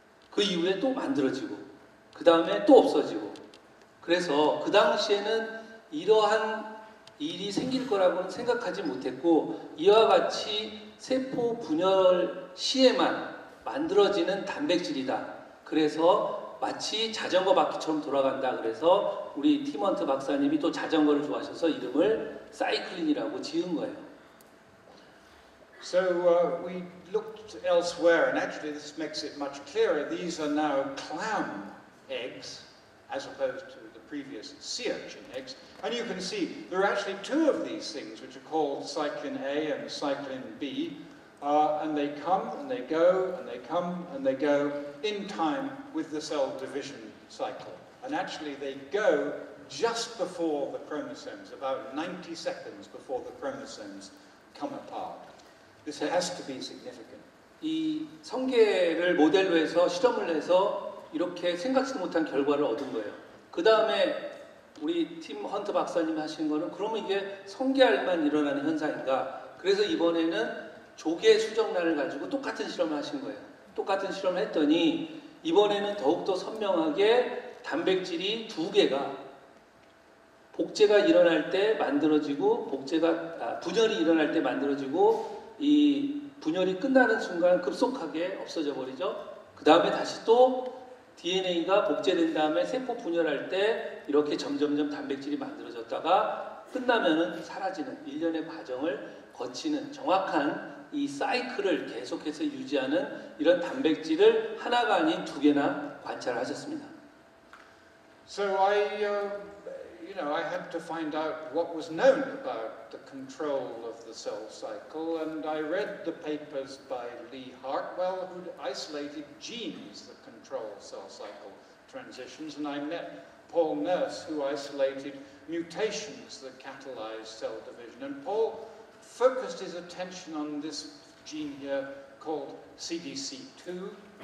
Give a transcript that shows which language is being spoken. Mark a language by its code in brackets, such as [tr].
[ko] 그 이후에 또 만들어지고 그 다음에 또 없어지고 그래서 그 당시에는 이러한 일이 생길 거라고는 생각하지 못했고 이와 같이 세포 분열 시에만 만들어지는 단백질이다. 그래서 마치 자전거 바퀴처럼 돌아간다. 그래서 우리 티먼트 박사님이 또 자전거를 좋아하셔서 이름을 사이클린이라고 지은 거예요. [en] So we looked elsewhere, and actually this makes it much clearer. These are now clam eggs, as opposed to the previous sea urchin eggs. And you can see there are actually two of these things, which are called cyclin A and cyclin B. And they come and they go and they come and they go in time with the cell division cycle. And actually they go just before the chromosomes, about 90 seconds before the chromosomes come apart. This has to be significant. [ko] 이 성계를 모델로 해서 실험을 해서 이렇게 생각지도 못한 결과를 얻은 거예요. 그 다음에 우리 팀 헌트 박사님이 하신 거는 그러면 이게 성계알만 일어나는 현상인가? 그래서 이번에는 조개 수정란을 가지고 똑같은 실험을 하신 거예요. 똑같은 실험을 했더니 이번에는 더욱더 선명하게 단백질이 두 개가 복제가 일어날 때 만들어지고 분열이 일어날 때 만들어지고 이 분열이 끝나는 순간 급속하게 없어져 버리죠. 그 다음에 다시 또 DNA가 복제된 다음에 세포 분열할 때 이렇게 점점점 단백질이 만들어졌다가 끝나면은 사라지는 일련의 과정을 거치는 정확한 이 사이클을 계속해서 유지하는 이런 단백질을 하나가 아닌 두 개나 관찰을 하셨습니다. [en] So I, you know, I had to find out what was known about the control of the cell cycle, and I read the papers by Lee Hartwell, who isolated genes that control cell cycle transitions, and I met Paul Nurse, who isolated mutations that catalyze cell division, and Paul focused his attention on this gene here called CDC2.